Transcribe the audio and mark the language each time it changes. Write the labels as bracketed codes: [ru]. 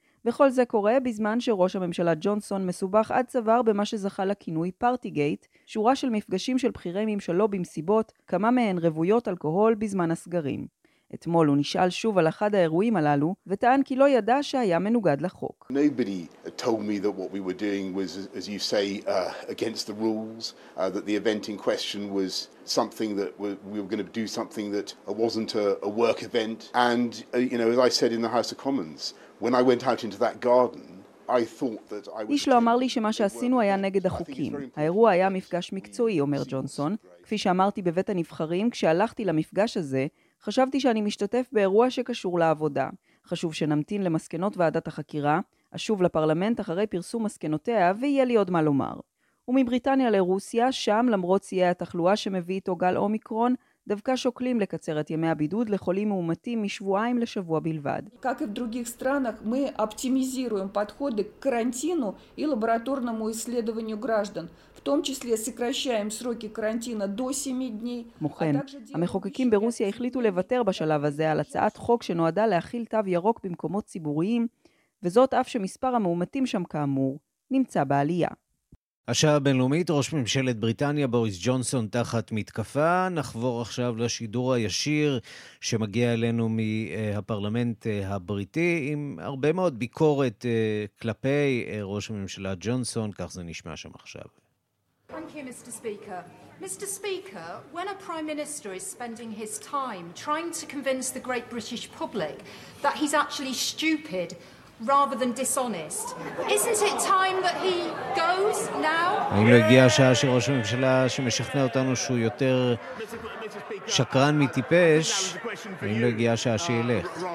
[he] וכל זה קורה בזמן שראש הממשלה ג'ונסון מסובך עד צוואר במה שזכה לכינוי פארטי גייט, שורה של מפגשים של בכירי ממשלו במסיבות, כמה מהן רוויות אלכוהול בזמן הסגרים. אתמול הוא נשאל שוב על אחד האירועים הללו, וטען כי לא ידע שהיה מנוגד לחוק. [en] Nobody told me that what we were doing was, as you say, against the rules, that the event in question was something that we were going to do something that wasn't a work event. And, you know, as I said in the House of Commons, when I went out into that garden, I thought that I [he] was... איש לא אמר לי שמה שעשינו היה נגד החוקים. האירוע היה מפגש מקצועי, אומר ג'ונסון. כפי שאמרתי בבית הנבחרים, כשהלכתי למפגש הזה, חשבתי שאני משתתף באירוע שקשור לעבודה. חשוב שנמתין למסקנות ועדת החקירה, אשוב לפרלמנט אחרי פרסום מסקנותיה, ויהיה לי עוד מה לומר. ומבריטניה לרוסיה, שם, למרות סיעי התחלואה שמביא איתו גל אומיקרון, דווקא שוקלים לקצר את ימי הבידוד לחולים מאומתים משבועיים לשבוע בלבד. [ru] Как и в других странах, мы оптимизируем подходы к карантину и лабораторному исследованию граждан. В том числе сокращаем сроки карантина до 7 дней. [he] מוכן. המחוקקים ברוסיה החליטו לוותר בשלב הזה על הצעת חוק שנועדה להכיל תו ירוק במקומות ציבוריים, וזאת אף שמספר המאומתים שם כאמור נמצא בעלייה. השעה הבינלאומית, ראש ממשלת בריטניה בוריס ג'ונסון תחת מתקפה. נחבור עכשיו לשידור הישיר שמגיע אלינו מהפרלמנט הבריטי, עם הרבה מאוד ביקורת כלפי ראש הממשלה ג'ונסון, כך זה נשמע שם עכשיו. [en] Thank you, Mr. Speaker. Mr. Speaker, when a Prime Minister is spending his time trying to convince the great British public that he's actually stupid, rather than dishonest. Isn't it time that he goes now? [he] האם הגיע השעה שראש הממשלה שמשכנע אותנו שהוא יותר שקרן מטיפש, האם הגיע השעה שילך?